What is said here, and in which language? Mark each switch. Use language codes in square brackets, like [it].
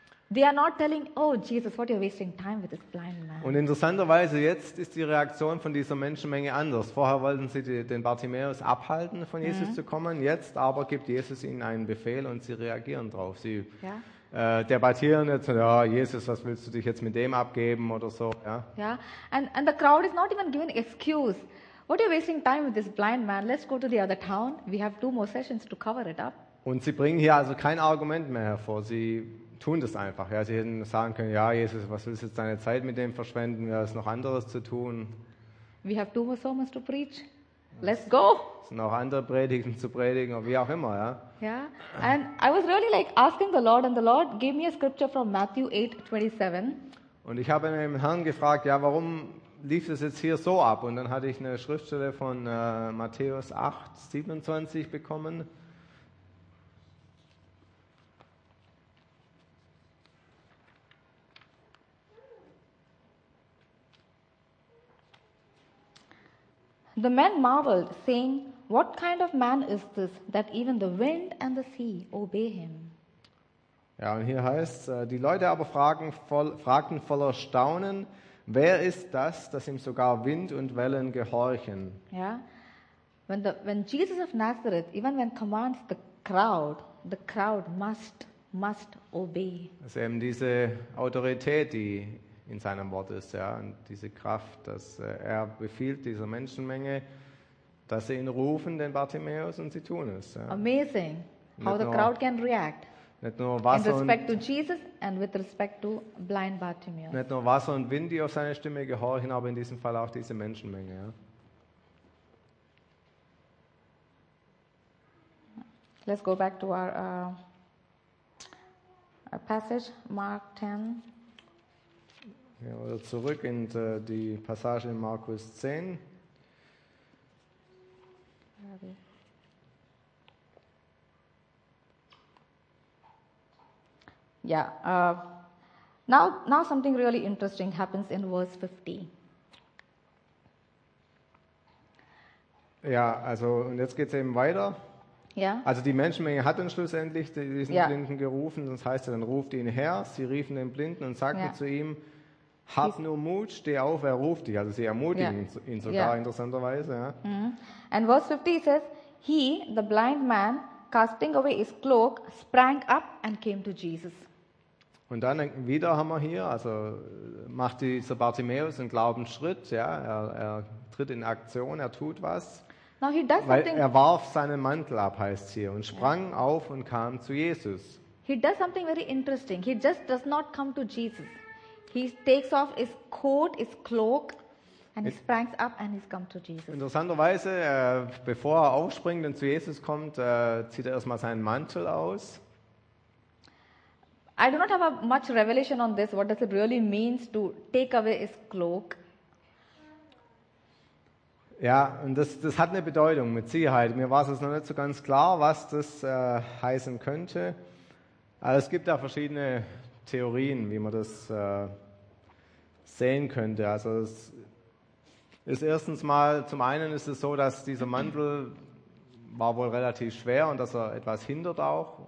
[en] They are not telling, oh Jesus, what you're wasting time with this blind man. [de] Und interessanterweise, jetzt ist die Reaktion von dieser Menschenmenge anders. Vorher wollten sie den Bartimäus abhalten, von Jesus zu kommen. Jetzt aber gibt Jesus ihnen einen Befehl und sie reagieren drauf. Sie debattieren jetzt, ja, Jesus, was willst du dich jetzt mit dem abgeben oder so. Ja, [en] yeah. And the crowd is not even giving excuse. What are you wasting time with this blind man? Let's go to the other town. We have two more sessions to cover it up. [de] Und sie bringen hier also kein Argument mehr hervor. Sie tun das einfach. Ja, sie hätten sagen können, ja, Jesus, was willst du jetzt deine Zeit mit dem verschwenden? Ja, ist noch anderes zu tun. [en] We have two more sermons to preach. Let's go. [de] Es sind auch andere Predigten zu predigen, wie auch immer, ja. [en] Yeah. And I was really like asking the Lord, and the Lord gave me a scripture from Matthew 8:27. [de] Und ich habe dem Herrn gefragt, ja, warum lief es jetzt hier so ab? Und dann hatte ich eine Schriftstelle von Matthäus 8:27 bekommen. [en] The men marveled, saying, what kind of man is this, that even the wind and the sea obey him? [de] Ja, und hier heißt, die Leute aber fragten voller Staunen, wer ist das, dass ihm sogar Wind und Wellen gehorchen? [en] Ja, when Jesus of Nazareth, even when commands the crowd must obey. [de] Das ist eben diese Autorität, die in seinem Wort ist, ja, und diese Kraft, dass er befiehlt dieser Menschenmenge, dass sie ihn rufen, den Bartimäus, und sie tun es. Ja. [en] Amazing, how the crowd can react. [de] Nicht nur Wasser [en] in respect to Jesus and with respect to blind Bartimaeus. [de] Nicht nur Wasser und Wind, die auf seine Stimme gehorchen, aber in diesem Fall auch diese Menschenmenge. Ja. [en] Let's go back to our passage, Mark 10. [de] Ja, oder zurück in die Passage in Markus 10. [en] Yeah. Now something really interesting happens in verse 50. [de] Ja, also und jetzt geht's eben weiter. [en] Yeah. [de] Also die Menschenmenge hat dann schlussendlich diesen Blinden gerufen. Das heißt, dann ruft ihn her. Sie riefen den Blinden und sagten zu ihm: Hab nur Mut, steh auf, er ruft dich. Also sie ermutigen ihn sogar interessanterweise. Ja. Mm-hmm. [en] And verse 50 says, he, the blind man, casting away his cloak, sprang up and came to Jesus. [de] Und dann wieder haben wir hier, also macht dieser Bartimäus einen Glaubensschritt, ja, er tritt in Aktion, er tut was. [en] Now he does something. [de] Er warf seinen Mantel ab, heißt hier, und sprang auf und kam zu Jesus. [en] He does something very interesting. He just does not come to Jesus. He takes off his coat, his cloak, and he springs up and he's come to Jesus. [de] Interessanterweise, bevor er aufspringt und zu Jesus kommt, zieht er erstmal seinen Mantel aus. I do not have a much revelation on this. What does it really mean to take away his cloak? Ja, und das hat eine Bedeutung, mit Sicherheit. Mir war es noch nicht so ganz klar, was das heißen könnte. Aber es gibt da verschiedene Theorien, wie man das sehen könnte. Also es ist erstens mal, zum einen ist es so, dass dieser Mantel war wohl relativ schwer und dass er etwas hindert auch.